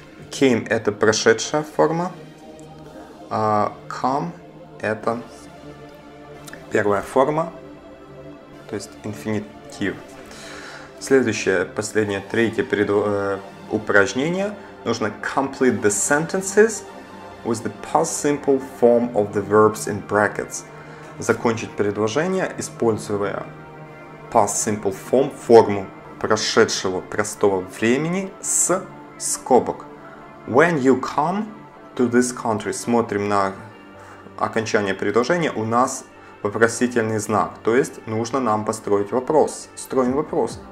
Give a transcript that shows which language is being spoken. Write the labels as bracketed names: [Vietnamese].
[Russian] Came – это прошедшая форма. Come – это первая форма, то есть инфинитив. Следующее, последнее, третье упражнение. Нужно [English] complete the sentences with the past simple form of the verbs in brackets. [Russian] Закончить предложение, используя [English] past simple form, [Russian] форму прошедшего простого времени с скобок. [English] When you come to this country, [Russian] смотрим на окончание предложения, у нас вопросительный знак, то есть нужно нам построить вопрос. Строим вопрос.